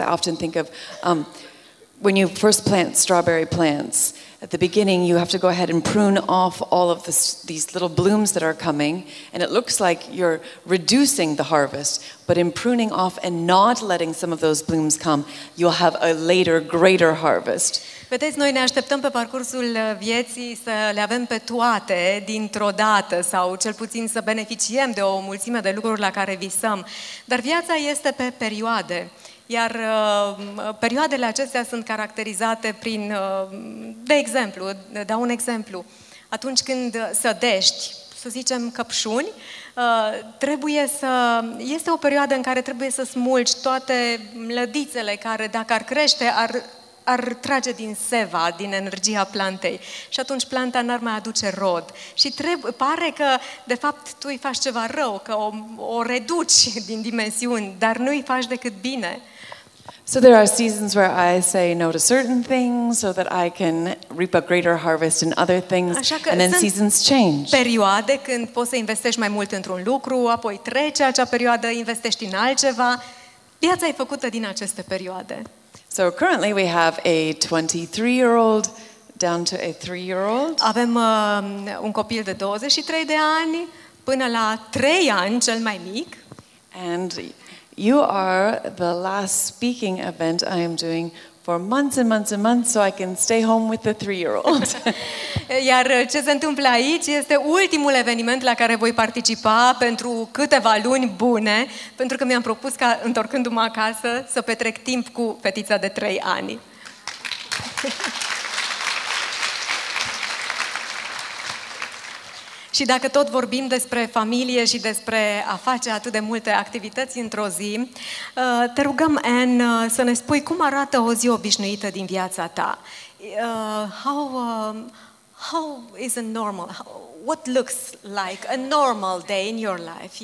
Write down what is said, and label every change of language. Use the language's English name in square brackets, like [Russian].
[English] I often think of when you first plant strawberry plants, at the beginning you have to go ahead and prune off all of these little blooms that are coming, and it looks like you're reducing the harvest, but in pruning off and not letting some of those blooms come, you'll have a later, greater harvest. [Romanian] Vedeți, noi ne așteptăm pe parcursul vieții să le avem pe toate dintr-o dată sau cel puțin să beneficiem de o mulțime de lucruri la care visăm, dar viața este pe perioade. Iar perioadele acestea sunt caracterizate prin, de exemplu, dau un exemplu, atunci când sădești, să zicem căpșuni, trebuie să, este o perioadă în care trebuie să smulgi toate mlădițele care, dacă ar crește, ar, ar trage din seva, din energia plantei. Și atunci planta n-ar mai aduce rod. Și pare că, de fapt, tu îi faci ceva rău, că o reduci din dimensiuni, dar nu îi faci decât bine. [English] So there are seasons where I say no to certain things so that I can reap a greater harvest in other things. [Romanian] Așa că [English] and then seasons change. [Romanian] Perioade când poți să investești mai mult într-un lucru, apoi trece acea perioadă, investești în altceva. Viața e făcută din aceste perioade. [English] So currently we have a 23-year-old down to a 3-year-old. [Romanian] Avem un copil de 23 de ani până la 3 ani cel mai mic. [English] And you are the last speaking event I am doing for months and months and months so I can stay home with the 3-year-old. [Romanian] Iar ce se întâmplă aici este ultimul eveniment la care voi participa pentru câteva luni bune, pentru că mi-am propus ca întorcându-mă acasă să petrec timp cu fetița de 3 ani. Și dacă tot vorbim despre familie și despre a face atât de multe activități într-o zi, te rugăm, Anne, să ne spui cum arată o zi obișnuită din viața ta. [English] How is a normal? What looks like a normal day in your life?